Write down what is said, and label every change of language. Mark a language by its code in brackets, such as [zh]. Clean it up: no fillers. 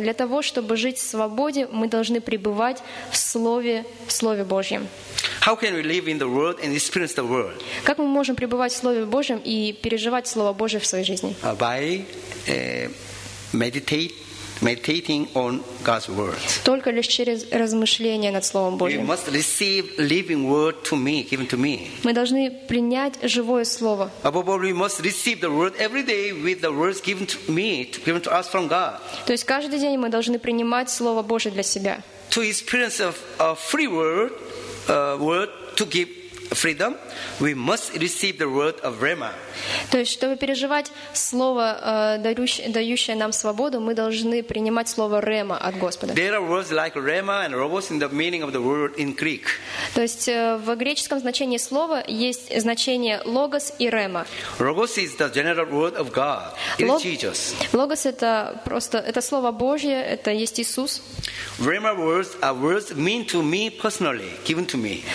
[ru] Для того, чтобы жить в свободе, мы должны пребывать в слове Божьем. [en] How can we live in the world and experience the world? [ru] Как мы можем пребывать в слове Божьем и переживать слово Божье в своей жизни? [en] By meditating on God's word. [ru] Только лишь через размышление над словом Божьим. [en] We must receive living word to me, given to me. [ru] Мы должны принять живое слово. [en] Above all, we must receive the word every day with the words given to us from God. [ru] То есть каждый день мы должны принимать слово Божье для себя. [en] To experience a free word, word to give freedom, we must receive the word of Rema. [ru] То есть, чтобы переживать слово, дающее нам свободу, мы должны принимать слово Рема от Господа. [en] There are words like Rema and Robos in the meaning of the word in Greek. [ru] То есть, в греческом значении слова есть значение Logos и Rema. [en] Logos is the general word of God. It is Jesus. [ru] Logos это просто это слово Божье, это есть Иисус. [en] Rema words are words mean to me personally, given to me.